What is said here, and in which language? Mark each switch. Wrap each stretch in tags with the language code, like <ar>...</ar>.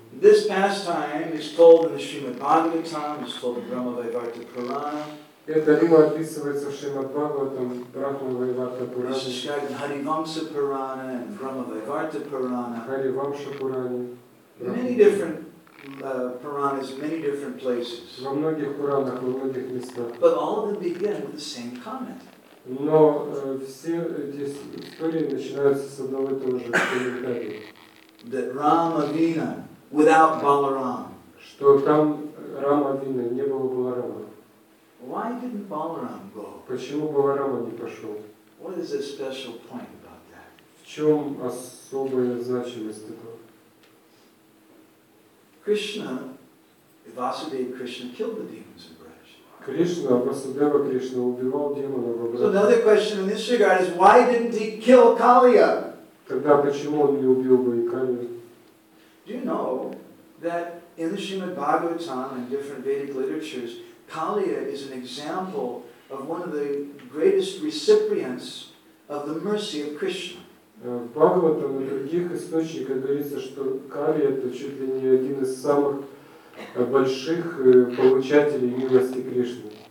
<en>This pastime is told in the Srimad Bhagavatam, is told in Brahma Vaivarta Purana.</en> <ru>Это либо описывается в Шримад Бхагаватам, Брахма Вайварта Пурана.</ru> <en>This is described in Харивамса Пурана and Брахма Вайварта Пурана.</en> <ru>Харивамса Пурана.</ru> <en>Many different Puranas, many different places.</en> <ru>Во многих Пуранах, во многих местах.</ru> <en>But all of them begin with the same comment.</en> <ru>Но все эти истории начинаются с одного и того же комментария.</ru> <en>That Rama Vina without Balaram.</en> <ru>Что там Рама Вина не было Баларама.</ru> <en>Why didn't Balaram go?</en> <ru>Почему Баларама не пошел?</ru> <en>What is the special point about that?</en> <ru>В чем особая значимость этого?</ru> <en>Krishna, Vasudeva Krishna killed the demons in Braj.</en> <ru>Кришна, Васудева Кришна убивал демонов в Браж.</ru> <en>So another question in this regard is why didn't he kill Kaliya?</en> <ru>Тогда почему он не убил бы и Калию?</ru> <en>Do you know that in the Srimad Bhagavatam and different Vedic literatures, Kaliya is an example of one of the greatest recipients of the mercy of Krishna.</en> <ru>В Бхагаватам и других источниках говорится, что Калия это чуть ли не один из самых больших получателей милости Кришны.</ru>